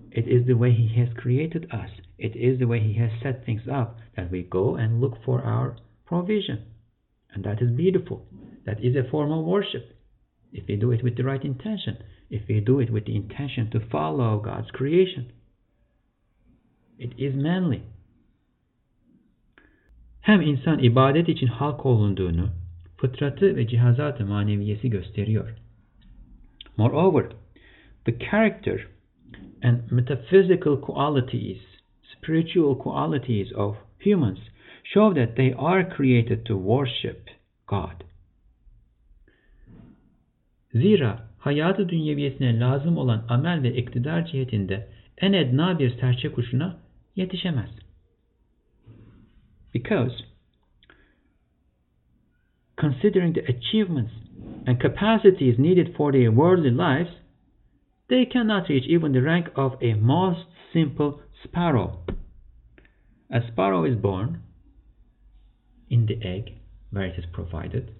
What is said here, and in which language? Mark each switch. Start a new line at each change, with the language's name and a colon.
English: It is the way He has created us. It is the way He has set things up, that we go and look for our provision. And that is beautiful. That is a form of worship. If we do it with the right intention, if we do it with the intention to follow God's creation, it is manly.
Turkish: Hem insan ibadet için halk olunduğunu, fıtratı ve cihazatı maneviyesi gösteriyor.
English: Moreover, the character and metaphysical qualities, spiritual qualities of humans show that they are created to worship God.
Turkish: Zira hayatı dünyeviyesine lazım olan amel ve iktidar cihetinde en edna bir serçe kuşuna yetişemez.
English: Because considering the achievements and capacities needed for their worldly lives, they cannot reach even the rank of a most simple sparrow. A sparrow is born in the egg where it is provided.